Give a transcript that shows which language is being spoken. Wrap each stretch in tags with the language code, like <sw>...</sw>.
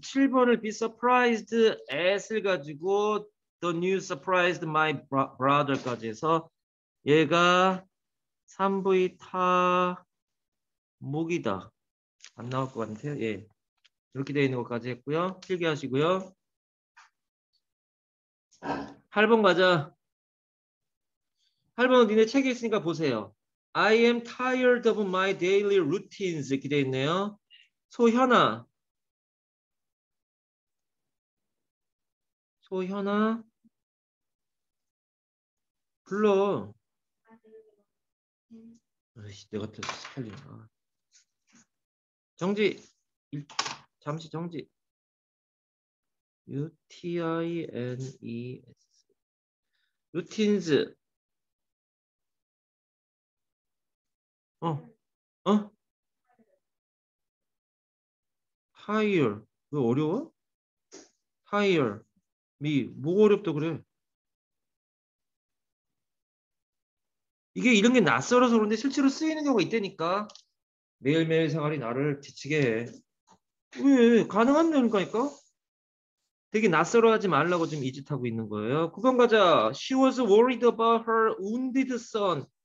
<ko>7번을</ko> <en>be surprised at</en> <ko>을 가지고</ko> <en>the news surprised my brother</en> <ko>까지 해서 얘가 3부의 타목이다. 안 나올 것 같아요. 예. 이렇게 되어 있는 것까지 했고요. 필기하시고요. 8번 가자. 8번 니네 책에 있으니까 보세요.</ko> <en>I am tired of my daily routines.</en> <ko>이렇게 되어 있네요. 소현아. 소현아. 불러. 아이씨, 내가 또 헷갈리나. 정지. 잠시 정지. routines. routines. 타이어. 왜 어려워? 타이어. 미. 뭐가 어렵다 그래? 이게 이런 게 낯설어서 그런데 실제로 쓰이는 경우가 있다니까. 매일매일 생활이 나를 지치게 해. 왜? 가능한 거니까. 되게 낯설어하지 말라고 지금 이짓하고 있는 거예요. 9번 가자.</ko> <en>She was worried about her wounded son.</en>